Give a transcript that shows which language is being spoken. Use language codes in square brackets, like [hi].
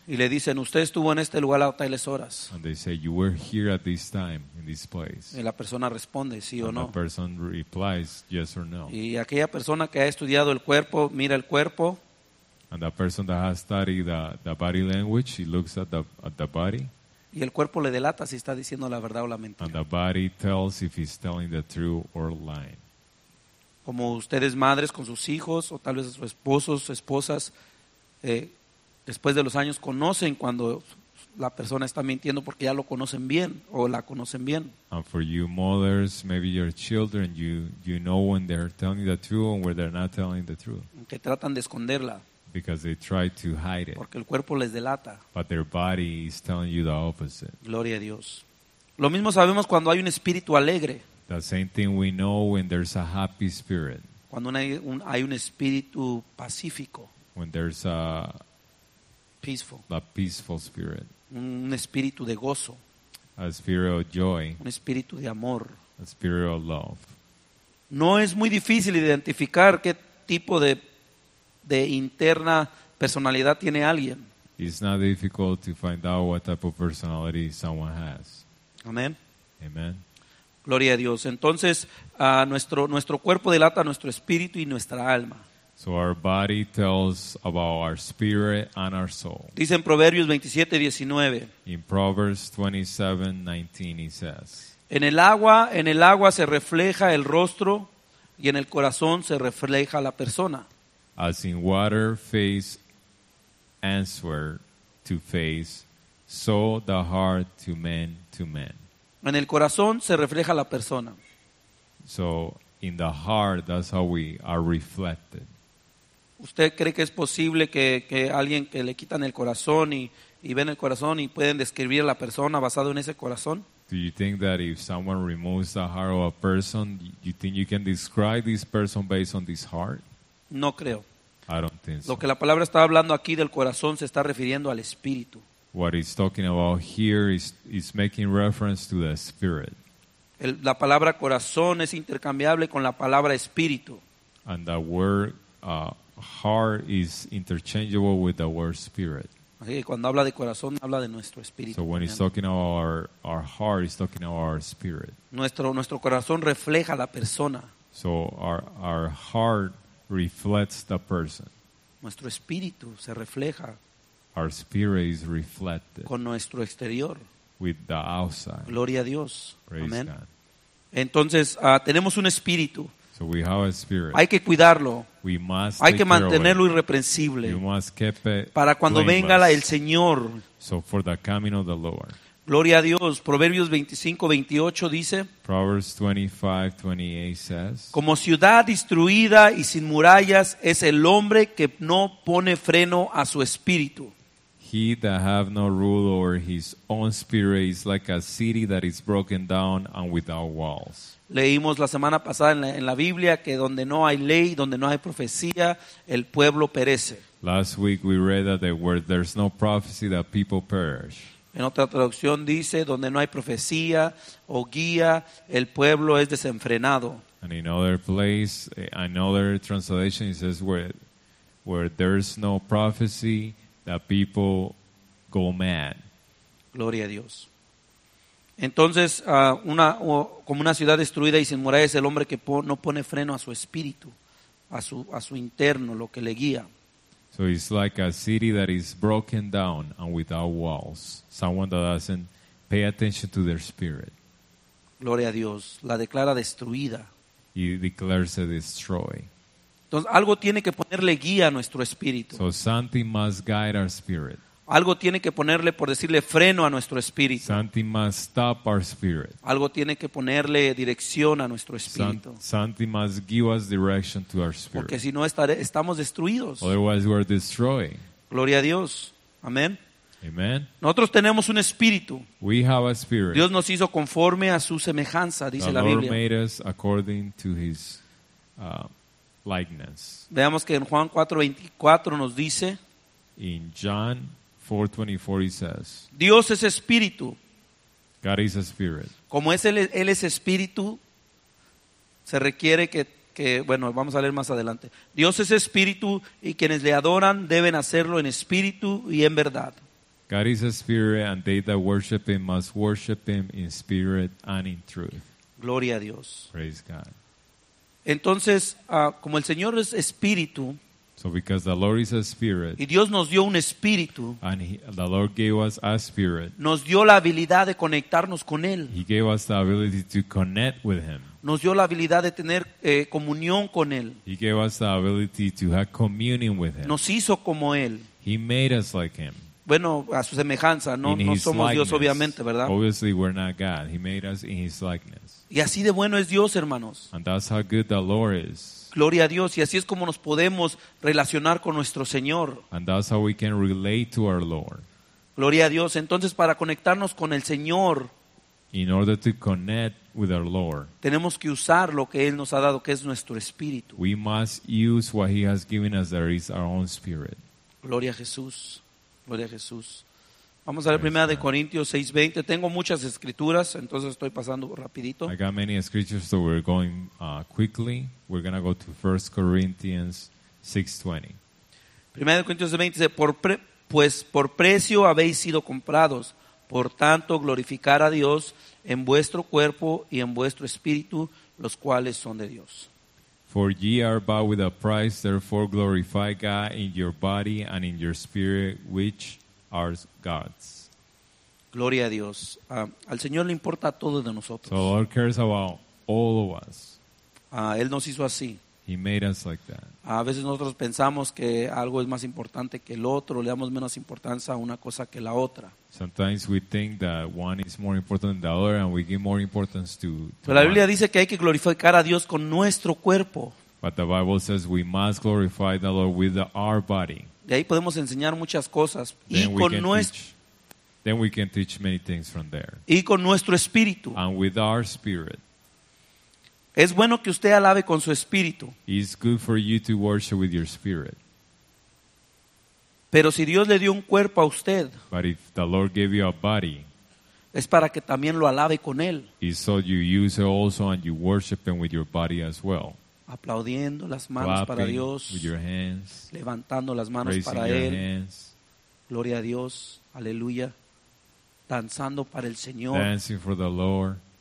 [es] Y le dicen, usted estuvo en este lugar a tales horas. [en] And they say, you were here at this time, in this place. [es] Y la persona responde, sí o no. [en] And the person replies, yes or no. [es] Y aquella persona que ha estudiado el cuerpo, mira el cuerpo. [en] And the person that has studied the body language, he looks at the body. [es] Y el cuerpo le delata si está diciendo la verdad o la mentira. [en] And the body tells if he's telling the truth or lying. [es] Como ustedes madres con sus hijos o tal vez sus esposos, esposas, después de los años conocen cuando la persona está mintiendo porque ya lo conocen bien o la conocen bien. [en] And for you mothers, maybe your children, you know when they're telling the truth and when they're not telling the truth. [es] Que tratan de esconderla. [en] Because they try to hide it. [es] Porque el cuerpo les delata. [en] But their body is telling you the opposite. [es] Gloria a Dios. Lo mismo sabemos cuando hay un espíritu alegre. [en] The same thing we know when there's a happy spirit. [es] Cuando hay un espíritu pacífico. [en] When there's a peaceful. A peaceful spirit. [es] Un espíritu de gozo. [en] A spirit of joy. [es] Un espíritu de amor. [en] A spirit of love. [es] No es muy difícil identificar qué tipo de interna personalidad tiene alguien. [en] It's not difficult to find out what type of personality someone has. [es] Amen. [en] Amen. [es] Gloria a Dios. Entonces, nuestro cuerpo delata nuestro espíritu y nuestra alma. [en] So our body tells about our spirit and our soul. [es] Dice en Proverbios 27:19. [en] In Proverbs 27:19 it says. [es] En el agua se refleja el rostro y en el corazón se refleja la persona. [en] As in water, face answer to face, so the heart to man to man. [es] En el corazón se refleja la persona. [en] So in the heart, that's how we are reflected. [es] ¿Usted cree que es posible que alguien que le quitan el corazón y ven el corazón y pueden describir a la persona basado en ese corazón? [en] Do you think that if someone removes the heart of a person, you think you can describe this person based on this heart? [es] No creo. [en] I don't think so. [es] Lo que la palabra está hablando aquí del corazón se está refiriendo al espíritu. [en] What it's talking about here is making reference to the spirit. [es] La palabra corazón es intercambiable con la palabra espíritu. [en] And the word heart is interchangeable with the word spirit. [es] Así que cuando habla de corazón habla de nuestro espíritu. [en] So when he's talking about our heart, he's talking about our spirit. [es] Nuestro corazón refleja la persona. [en] So our heart reflects the person. [es] Nuestro espíritu se refleja. [en] Our spirit is reflected. [es] Con nuestro exterior. [en] With the outside. [es] Gloria a Dios. [en] Praise Amen. God. [es] Entonces tenemos un espíritu. [en] So we have a spirit. [es] Hay que cuidarlo. [en] We must [es] Hay que mantenerlo irreprensible. [en] You must keep it [es] para cuando [en] blameless. [es] Venga el Señor. [en] So for the coming of the Lord. [es] Gloria a Dios. Proverbios 25:28 dice. [en] Proverbs 25:28 says. [es] Como ciudad destruida y sin murallas es el hombre que no pone freno a su espíritu. [en] He that have no rule over his own spirit is like a city that is broken down and without walls. [es] Leímos la semana pasada en la Biblia que donde no hay ley, donde no hay profecía, el pueblo perece. [en] Last week we read that there's no prophecy that people perish. [es] En otra traducción dice, donde no hay profecía o guía, el pueblo es desenfrenado. [en] And in another place, another translation it says where there's no prophecy, that people go mad. [es] Gloria a Dios. Entonces, como una ciudad destruida y sin murallas, el hombre que no pone freno a su espíritu, a su interno, lo que le guía. [en] So it's like a city that is broken down and without walls. Someone that doesn't pay attention to their spirit. [es] Gloria a Dios. La declara destruida. [en] He declares it destroyed. [es] Entonces, algo tiene que ponerle guía a nuestro espíritu. [en] So something must guide our spirit. [es] Algo tiene que ponerle, por decirle, freno a nuestro espíritu. [en] Something must stop our spirit. [es] Algo tiene que ponerle dirección a nuestro espíritu. [en] Something must give us direction to our spirit. [es] Porque si no, estamos destruidos. [en] Otherwise, we're destroyed. [es] Gloria a Dios. Amén. [en] Amen. [es] Nosotros tenemos un espíritu. [en] We have a spirit. [es] Dios nos hizo conforme a su semejanza, dice [en] the [es] la Biblia. [en] Lord made us according to his likeness. [es] Veamos que en Juan 4:24 nos dice. [en] In John 4:24 he says. [es] Dios es espíritu. [en] God is a spirit. [es] Como es él es espíritu, se requiere que bueno, vamos a leer más adelante. Dios es espíritu y quienes le adoran deben hacerlo en espíritu y en verdad. [en] God is a spirit and they that worship him must worship him in spirit and in truth. [es] Gloria a Dios. [en] Praise God. [es] Entonces, como el Señor es espíritu, [en] so because the Lord is a spirit, [es] y Dios nos dio un espíritu, [en] and the Lord gave us a spirit, [es] nos dio la habilidad de conectarnos con él. [en] He gave us the ability to connect with him. [es] Nos dio la habilidad de tener comunión con él. [en] He gave us the ability to have communion with him. [es] Nos hizo como él. [en] He made us like him. [es] Bueno, a su semejanza, no somos [en] likeness. [es] Dios obviamente, ¿verdad? [en] Obviously we're not God. He made us in his likeness. [es] Y así de bueno es Dios, hermanos. [en] And that's how good the Lord is. [es] Gloria a Dios. Y así es como nos podemos relacionar con nuestro Señor. [en] And that's how we can relate to our Lord. [es] Gloria a Dios. Entonces, para conectarnos con el Señor, [en] in order to connect with our Lord, [es] tenemos que usar lo que Él nos ha dado, que es nuestro espíritu. [en] We must use what He has given us, that is our own spirit. [es] Gloria a Jesús. Gloria a Jesús. Vamos a leer primera de Corintios 6:20. Tengo muchas escrituras, entonces estoy pasando rapidito. [en] I got many scriptures, so we're going quickly. We're gonna go to 1 Corinthians 6:20. [es] Primera de Corintios 6:20 dice: por precio habéis sido comprados, por tanto glorificar a Dios en vuestro cuerpo y en vuestro espíritu, los cuales son de Dios. [en] For ye are bought with a price; therefore glorify God in your body and in your spirit, which are God's. [es] Gloria a Dios. Al Señor le importa todo de nosotros. [en] So Lord cares about all of us. [es] Él nos hizo así. [en] He made us like that. [es] A veces nosotros pensamos que algo es más importante que el otro, le damos menos importancia a una cosa que la otra. [en] Sometimes we think that one is more important than the other and we give more importance to [es] Pero la Biblia dice que hay que glorificar a Dios con nuestro cuerpo. [en] But the Bible says we must glorify the Lord with our body. [es] De ahí podemos enseñar muchas cosas. [en] Then we can teach many things from there. [es] Y con nuestro espíritu. [en] And with our spirit. [es] Es bueno que usted alabe con su espíritu. [en] It's good for you to worship with your spirit. [es] Pero si Dios le dio un cuerpo a usted, [en] but if the Lord gave you a body, [es] es para que también lo alabe con él. [en] It's so you use it also and you worship him with your body as well. [es] Aplaudiendo las manos, [en] clapping [es] para Dios, [en] with your hands, [es] levantando las manos, [en] raising [es] para [en] your [es] él. [en] Hands, [es] gloria a Dios, aleluya. Danzando para el Señor. [en] Dancing for the Lord.